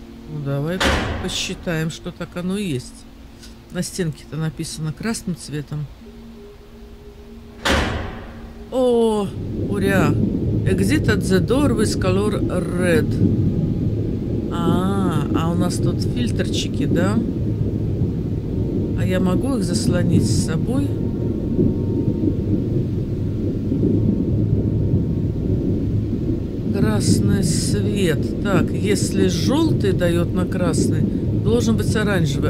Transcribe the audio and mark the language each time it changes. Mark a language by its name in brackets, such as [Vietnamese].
[Russian] Ну, давай посчитаем, что так оно и есть. На стенке-то написано красным цветом. О, уря. [English] Exit at the door with color red. [Russian] А у нас тут фильтрчики, да? Я могу их заслонить с собой. Красный свет. Так, если желтый дает на красный, должен быть оранжевый.